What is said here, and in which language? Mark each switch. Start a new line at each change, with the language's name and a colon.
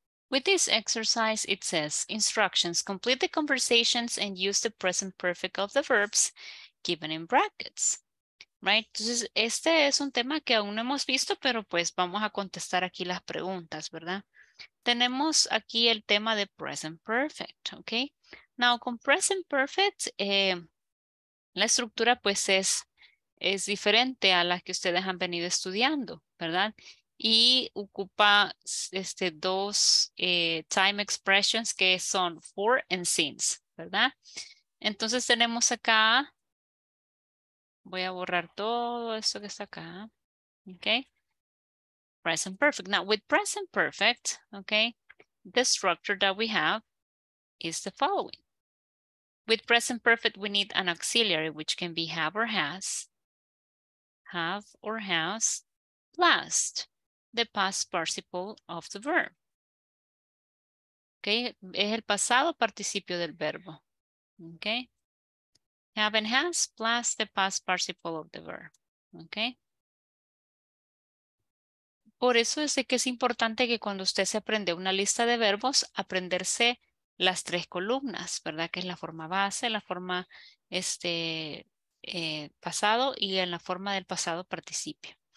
English: With this exercise, it says, instructions, complete the conversations and use the present perfect of the verbs given in brackets. Right?
Spanish: Entonces, este es un tema que aún no hemos visto, pero pues vamos a contestar aquí las preguntas, ¿verdad? Tenemos aquí el tema de present perfect, ¿ok? Now, con present perfect, la estructura pues es diferente a la que ustedes han venido estudiando, ¿verdad? Y ocupa dos time expressions que son for and since, ¿verdad? Entonces tenemos acá, voy a borrar todo esto que está acá, ¿ok?
English: Present perfect. Now, with present perfect, ¿ok? The structure that we have is the following. With present perfect, we need an auxiliary, which can be have or has, have or has, last. The past participle of the verb. Okay,
Spanish: es el pasado participio del verbo.
English: Okay, have and has plus the past participle of the verb.
Spanish: Okay, por eso es que es importante que cuando usted se aprende una lista de verbos, aprenderse las tres columnas, ¿verdad? Que es la forma base, la forma pasado y en la forma del pasado participio.